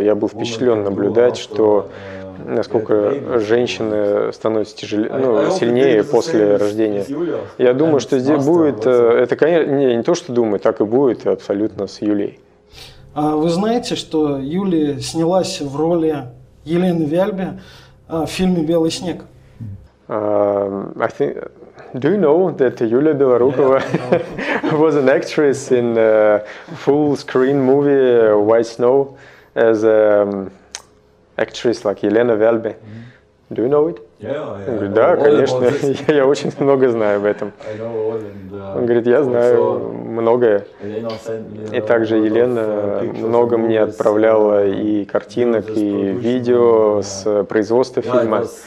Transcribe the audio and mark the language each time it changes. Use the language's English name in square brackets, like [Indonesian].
[Russian] Я был впечатлен наблюдать, что насколько женщины становятся тяжелее, ну, сильнее после рождения. Я думаю, что здесь будет, это конечно, не то, что думаю, так и будет абсолютно с Юлей. А вы знаете, что Юля снялась в роли Елены Вяльбе в фильме «Белый снег»? [English] Do you know that Yulia Belorukova was an actress in a full-screen movie White Snow as an actress like Елена Вяльбе? Do you know it? Yeah, [Russian] говорю, да, конечно, я очень много знаю об этом. Он говорит, я знаю многое. И также Елена много мне отправляла и картинок, и видео с производства фильма.